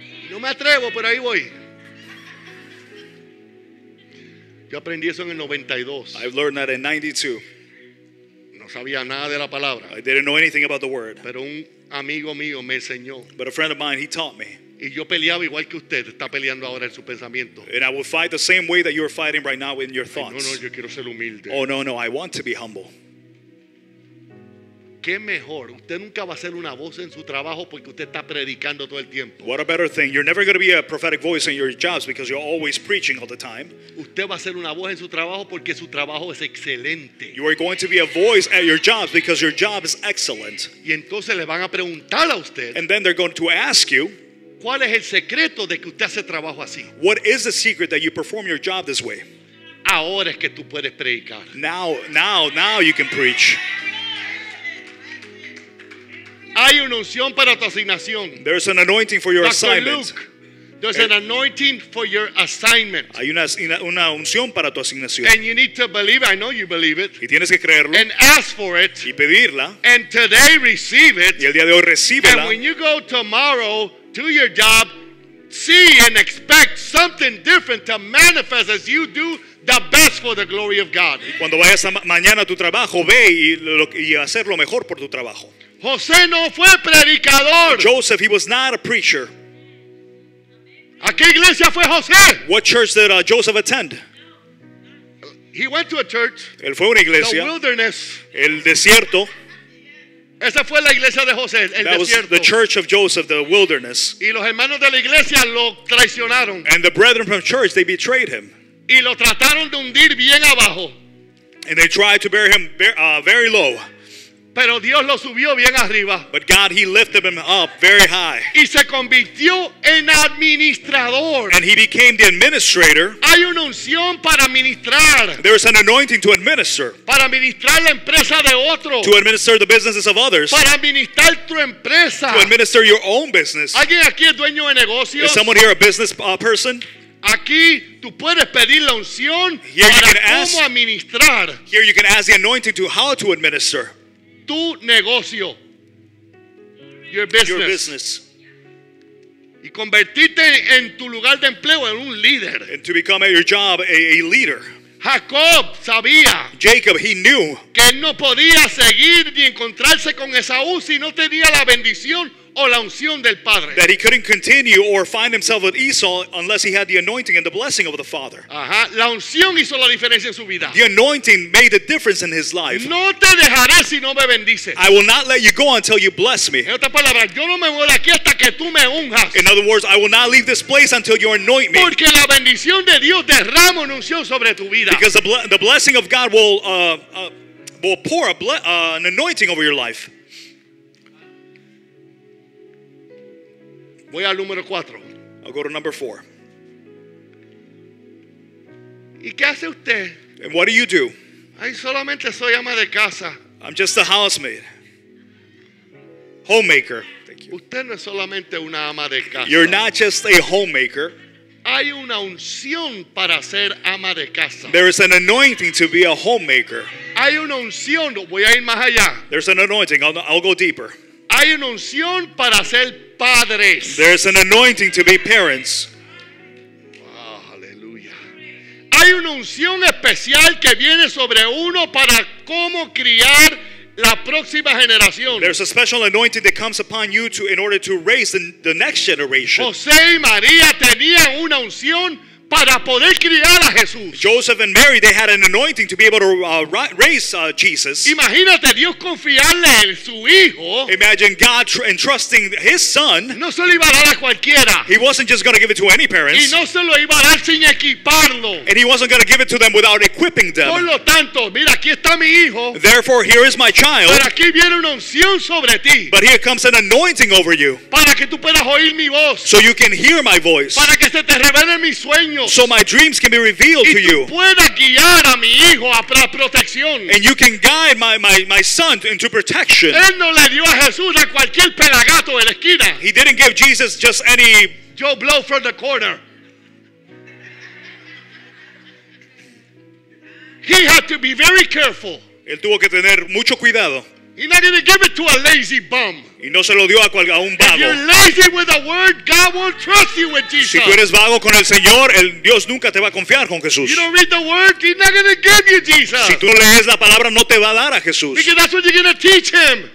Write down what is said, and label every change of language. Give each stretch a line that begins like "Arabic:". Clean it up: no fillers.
Spanish: No me atrevo, pero ahí voy. Yo aprendí eso en el 92.
English: I've learned that in 92.
Spanish: No sabía nada de la palabra.
English: I didn't know anything about the word.
Spanish: Pero un amigo mío me enseñó.
English: But a friend of mine, he taught me.
Spanish: Y yo peleaba igual que usted está peleando ahora en su pensamiento.
English: And I will fight the same way that you are fighting right now in your thoughts.
Spanish: No, no, yo quiero ser humilde.
English: Oh, no, no, I want to be humble.
Spanish: ¿Qué mejor? Usted nunca va a ser una voz en su trabajo porque usted está predicando todo el tiempo.
English: What a better thing. You're never going to be a prophetic voice in your jobs because you're always preaching all the time.
Spanish: Usted va a ser una voz en su trabajo porque su trabajo es excelente.
English: You are going to be a voice at your jobs because your job is excellent.
Spanish: Y entonces le van a preguntar a usted.
English: And then they're going to ask you.
Spanish: ¿Cuál es el secreto de que usted hace trabajo así?
English: What is the secret that you perform your job this way?
Spanish: Ahora es que tú puedes predicar.
English: Now you can preach.
Spanish: Hay una unción para tu asignación.
English: There's an anointing for your assignment. Luke, There's an anointing for your assignment.
Spanish: Hay una unción para tu asignación.
English: And you need to believe it. I know you believe it.
Spanish: Y tienes que creerlo.
English: And ask for it.
Spanish: Y pedirla.
English: And today receive it.
Spanish: Y el día de hoy recíbela.
English: And when you go tomorrow to your job, see and expect something different to manifest as you do the best for the glory of God.
Spanish: Y cuando vayas mañana a tu trabajo, ve y hacer lo mejor por tu trabajo. José no fue predicador.
English: Joseph, he was not a preacher.
Spanish: ¿A qué iglesia fue José?
English: What church did Joseph attend? He went to a church.
Spanish: Él fue a una iglesia.
English: The wilderness.
Spanish: El desierto. Esa fue la iglesia de José, el
English: that
Spanish: desierto.
English: Was the church of Joseph, the wilderness.
Spanish: Y los hermanos de la iglesia lo traicionaron.
English: And the brethren from church, they betrayed him.
Spanish: Y lo trataron de hundir bien abajo.
English: And they tried to bury him very low.
Spanish: Pero Dios lo subió bien arriba.
English: But God, he lifted him up very high.
Spanish: Y se convirtió en administrador.
English: And he became the administrator.
Spanish: Hay una unción para ministrar.
English: There is an anointing to administer.
Spanish: Para administrar la empresa de otro.
English: To administer the businesses of others.
Spanish: Para administrar tu empresa.
English: To administer your own business.
Spanish: ¿Alguien aquí es dueño de negocios?
English: Is someone here a business person?
Spanish: Aquí tú puedes pedir la unción para cómo administrar.
English: Here you can ask the anointing to how to administer.
Spanish: Tu negocio.
English: Your business.
Spanish: Y convertirte en tu lugar de empleo en un líder.
English: And to become at your job a leader.
Spanish: Jacob sabía.
English: Jacob, he knew.
Spanish: Que él no podía seguir ni encontrarse con Esaú si no tenía la bendición o la unción del Padre.
English: That he couldn't continue or find himself with Esau unless he had the anointing and the blessing of the Father. Ajá.
Spanish: La unción hizo la diferencia en su vida.
English: The anointing made a difference in his life.
Spanish: No te dejaré si no me bendices.
English: I will not let you go until you bless me.
Spanish: En otras palabras, yo no me voy de aquí hasta que tú me unjas.
English: In other words, I will not leave this place until you anoint me.
Spanish: Porque la bendición de Dios derrama una unción sobre tu vida.
English: Because the blessing of God will pour an anointing over your life.
Spanish: Voy al número 4.
English: I'll go to number 4.
Spanish: ¿Y qué hace usted?
English: And what do you do?
Spanish: Ay, solamente soy ama de casa.
English: I'm just a housemaid. Homemaker. Thank you.
Spanish: Usted no es solamente una ama de casa.
English: You're not just a homemaker.
Spanish: Hay una unción para ser ama de casa.
English: There is an anointing to be a homemaker.
Spanish: Hay una unción, voy a ir más allá.
English: There's an anointing. I'll go deeper.
Spanish: Hay una unción para ser padres.
English: There's an anointing to be parents.
Spanish: Wow, aleluya. Hay una unción especial que viene sobre uno para cómo criar la próxima generación.
English: There's a special anointing that comes upon you in order to raise the next generation.
Spanish: José y María tenían una unción para poder criar a Jesús.
English: Joseph and Mary, they had an anointing to be able to raise Jesus.
Spanish: Imagínate Dios confiarle en su hijo.
English: Imagine God entrusting his son.
Spanish: No se lo iba a dar a cualquiera.
English: He wasn't just going to give it to any parents.
Spanish: Y no se lo iba a dar sin equiparlo.
English: And he wasn't going to give it to them without equipping them.
Spanish: Por lo tanto, mira, aquí está mi hijo.
English: Therefore, here is my child.
Spanish: Pero aquí viene una unción sobre ti.
English: But here comes an anointing over you.
Spanish: Para que tú puedas oír mi voz.
English: So you can hear my voice.
Spanish: Para que se te revelen mis sueños.
English: So my dreams can be revealed to you.
Spanish: Guiar a mi hijo a protección.
English: And you can guide my son into protection.
Spanish: Él no le dio a Jesús a cualquier pelagato en la esquina.
English: He didn't give Jesus just any Joe Blow from the corner. He had to be very careful.
Spanish: Él tuvo que tener mucho cuidado.
English: He not going to give it to a lazy bum.
Spanish: Y no se lo dio a un vago.
English: If you're lazy with the word, God won't trust you with Jesus.
Spanish: Si tú eres vago con el Señor, el Dios nunca te va a confiar con Jesús.
English: You don't read the word, he's not going to give you Jesus.
Spanish: Si tú lees la palabra, no te va a dar a Jesús.
English: Because that's what you're going to teach him.